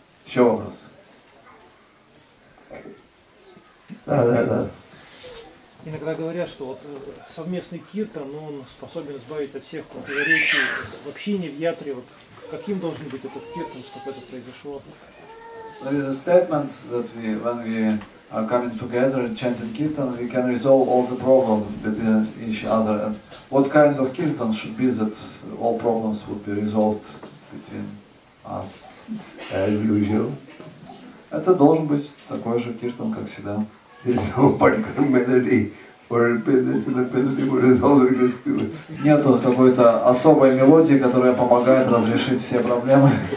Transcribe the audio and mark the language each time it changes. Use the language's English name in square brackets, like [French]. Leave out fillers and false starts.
[Russian] Еще вопрос. Да. Иногда говорят, что вот совместный киртан, он способен избавить от всех противоречий в общине, в ятре. Вот каким должен быть этот киртан, чтобы это произошло? [English] There is a statement that we, when we coming together and chanting kirtan, we can resolve all the problems between each other. And what kind of kirtan should be that all problems would be resolved between us? As usual. [Russian] Это должен быть такой же киртан, как всегда. [English] There's no particular melody or melody for resolving disputes. [Russian] Нет какой-то особой мелодии, которая помогает разрешить все проблемы.